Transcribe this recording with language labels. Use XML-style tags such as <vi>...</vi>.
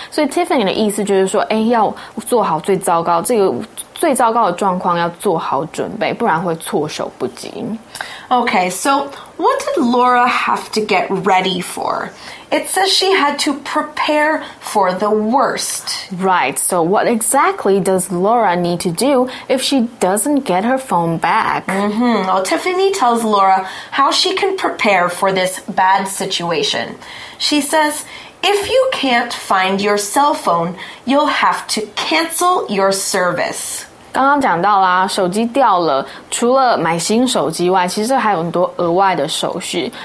<zh>所以 Tiffany 的意思就是说，哎，要做好最糟糕，这个最糟糕的状况要做好准备，不然会措手不及。</zh> <en>Okay, so what did Laura have to get ready for? It says she had to prepare for the worst. Right, so what exactly does Laura need to do if she doesn't get her phone back? Well, Tiffany tells Laura how she can prepare for this bad situation. She says, if you can't find your cell phone, you'll have to cancel your service.</en> <zh>刚刚讲到啦，手机掉了，除了买新手机外，其实还有很多额外的手续。</zh>